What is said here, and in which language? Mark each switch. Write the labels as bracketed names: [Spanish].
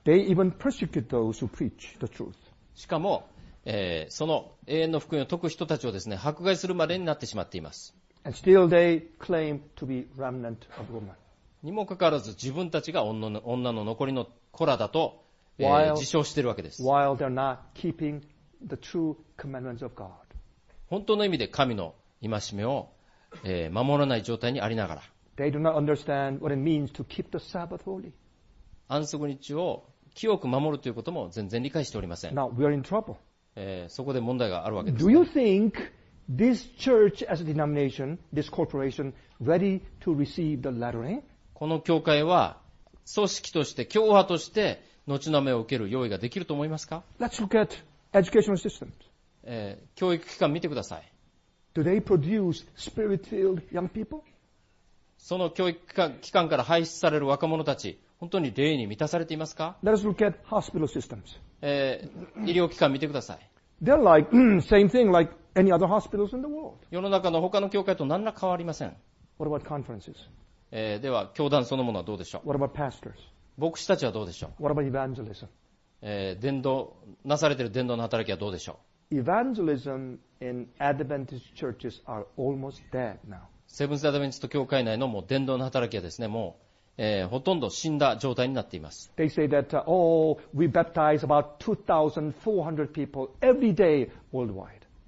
[English] They even persecute those who preach the truth. [Japanese] しかも、その永遠の福音を解く人たちをですね、迫害するまでになってしまっています。 [English] And still they claim to be remnant of woman. [Japanese] にもかかわらず自分たちが女の残りの子らだと、自称しているわけです。 [English] While they're not keeping The true commandments of God. [Japanese] 本当の意味で神の戒めを、守らない状態にありながら [English] They do not understand what it means to keep the Sabbath holy. [Japanese] 安息日を清く守るということも全然理解しておりません。 [English] Now we are in trouble. [Japanese] そこで問題があるわけです、 [English] ね、Do you think this church as a denomination, this corporation, ready to receive the latter rain? [Japanese] この教会は組織として教派として後の雨を受ける用意ができると思いますか? [English] Let's look at Educational systems. [Japanese] 教育機関見てください。 [English] Do they produce spirit-filled young people? [Japanese] その教育機関から排出される若者たち、本当に霊に満たされていますか? [English] Let us look at hospital systems. [Japanese] 医療機関見てください。 [English] They're like same thing like any other hospitals in the world. [Japanese] 世の中の他の教会と何ら変わりません。 [English] What about conferences? [Japanese] では教団そのものはどうでしょう? [English] What about pastors? [Japanese] 牧師たちはどうでしょう? [English] What about evangelism? [Japanese] 伝道なされている伝道の働きはどうでしょう [English] Evangelism in Adventist churches are almost dead now. [Japanese] セブンス・アドベンチスト教会内のもう伝道の働きはですね、もう、ほとんど死んだ状態になっています。 [English] They say that, we baptize about 2,400 people every day worldwide.